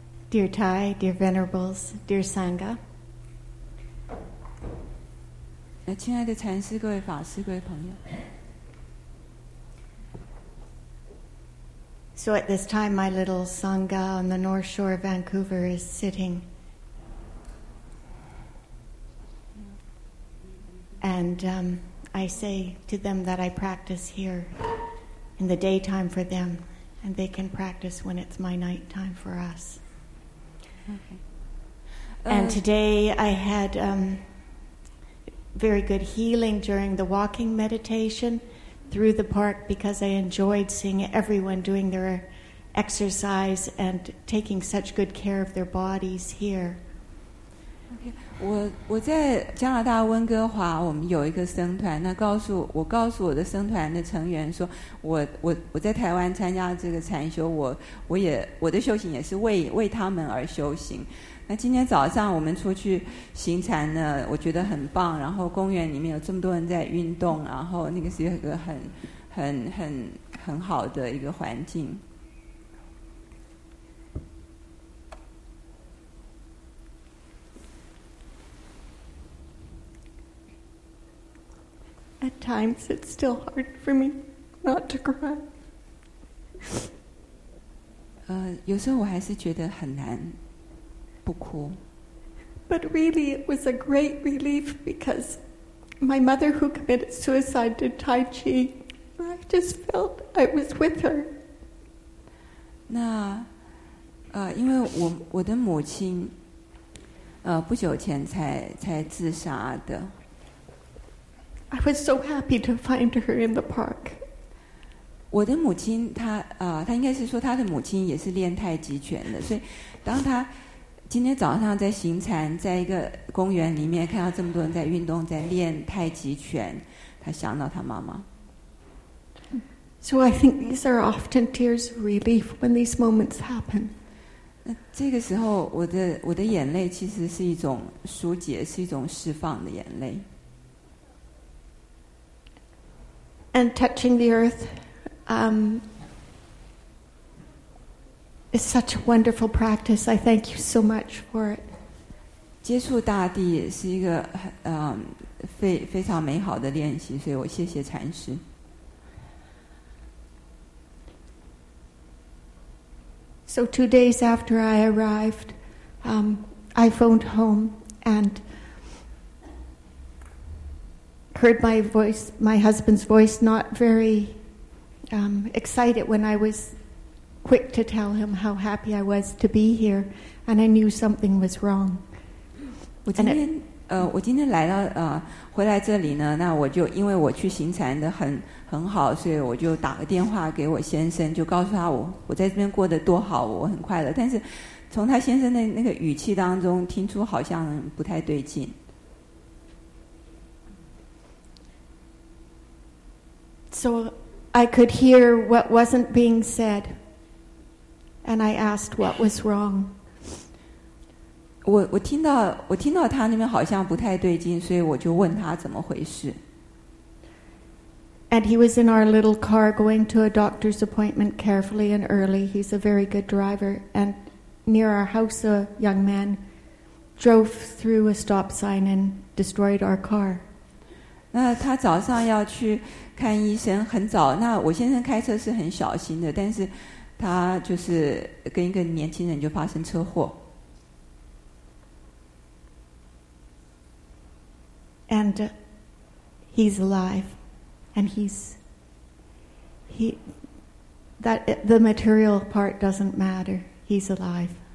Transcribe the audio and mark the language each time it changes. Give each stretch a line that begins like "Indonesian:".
English: Dear Thai, dear Venerables, dear Sangha.
Chinese: 亲爱的禅师，各位法师，各位朋友。
English: So at this time, my little Sangha on the North Shore of Vancouver is sitting. And I say to them that I practice here in the daytime for them, and they can practice when it's my night time for us. Okay. And today I had very good healing during the walking meditation through the park because I enjoyed seeing everyone doing their exercise and taking such good care of their bodies here. Okay.
Chinese: 我在加拿大温哥华，我们有一个僧团，那告诉我的僧团的成员说，我在台湾参加这个禅修，我的修行也是为他们而修行。那今天早上我们出去行禅呢，我觉得很棒。然后公园里面有这么多人在运动，然后那个是一个很好的一个环境。
English: At times, it's still hard for me not to cry.
Chinese: 有时候我还是觉得很难不哭。
English: But really, it was a great relief because my mother who committed suicide did Tai Chi. I just felt I was with her.
Chinese: 那因为我的母亲不久前才自杀的。
English: I was so happy to find her in the park.
Chinese: 我的母亲，她应该是说她的母亲也是练太极拳的，所以当她今天早上在行禅，在一个公园里面看到这么多人在运动，在练太极拳，她想到她妈妈。
English: So I think these are often tears of relief when these moments happen.
Chinese: 那这个时候，我的眼泪其实是一种疏解，是一种释放的眼泪。
English: And touching the earth is such a wonderful practice. I thank you so much for it.
Chinese: 接触大地是一个非常美好的练习，所以我谢谢禅师。
English: So 2 days after I arrived, I phoned home and. Heard my voice, my husband's voice, not very excited when I was quick to tell him how happy I was to be here, and I knew something was wrong.
Chinese: 我今天我今天来到回来这里呢，那我就因为我去行禅的很好，所以我就打个电话给我先生，就告诉他我在这边过得多好，我很快乐。但是从他先生的那个语气当中听出好像不太对劲。
English: So I could hear what wasn't being said, and I asked what was wrong.
Chinese: 我听到他那边好像不太对劲，所以我就问他怎么回事。
English: And he was in our little car going to a doctor's appointment carefully and early. He's a very good driver. And near our house, a young man drove through a stop sign and destroyed our car.
Chinese: 那他早上要去看医生，很早。那我先生开车是很小心的，但是他就是跟一个年轻人就发生车祸。
English: And he's alive. And he's the material part doesn't matter. He's alive.